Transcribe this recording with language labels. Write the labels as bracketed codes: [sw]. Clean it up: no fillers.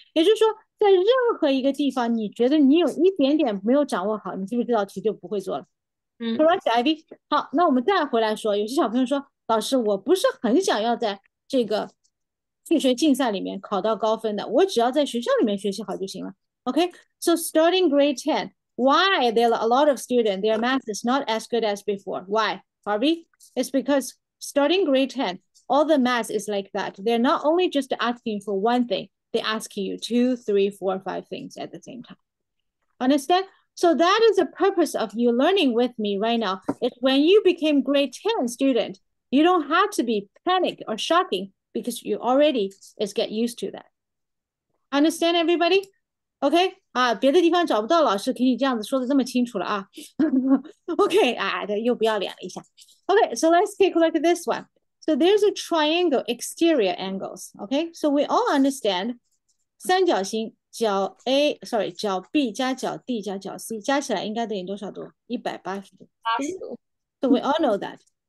[zh] 也就是说, 在任何一个地方, 你觉得你有一点点没有掌握好, 你是不是这道题就不会做了? [en] Correct, Ivy. [zh] 好，那我们再回来说， 有些小朋友说， 老师，我不是很想要在这个数学竞赛里面考到高分的， 我只要在学校里面学习好就行了。 [en] OK, so starting grade 10, why there are a lot of students, their math is not as good as before. Why, Harvey? It's because starting grade 10, all the math is like that. They're not only just asking for one thing, they're asking you two, three, four, five things at the same time. Understand? So that is the purpose of you learning with me right now. It's when you became grade 10 student, you don't have to be panic or shocking because you already is get used to that. Understand everybody? [zh] Okay, 别的地方找不到老师给你这样子说的这么清楚了啊。 Okay, 又不要脸了一下。 [en] Okay, so let's take a look at this one. So there's a triangle, exterior angles, okay? So we all understand [zh] 三角形, 角 A, [en] sorry, [zh] 角 B 加角 D 加角 C 加起来应该等于多少度? [en] 180度。So we all know that.